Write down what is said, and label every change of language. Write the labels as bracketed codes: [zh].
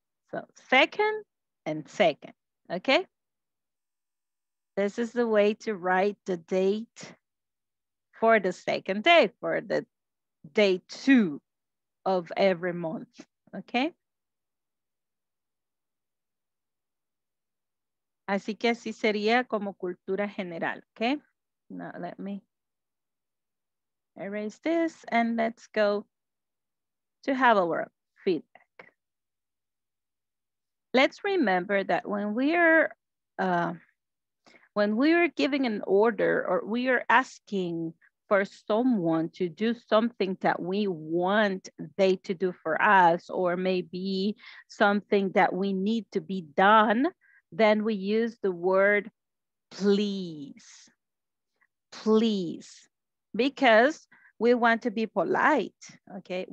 [en] So second and second, okay? This is the way to write the date for the second day, for the day 2 of every month, okay? [es] Así que así sería como cultura general, okay? [en] Now let me erase this and let's go to have our feedback. Let's remember that when we are giving an order, or we are asking for someone to do something that we want they to do for us, or maybe something that we need to be done, then we use the word please, because we want to be polite, okay?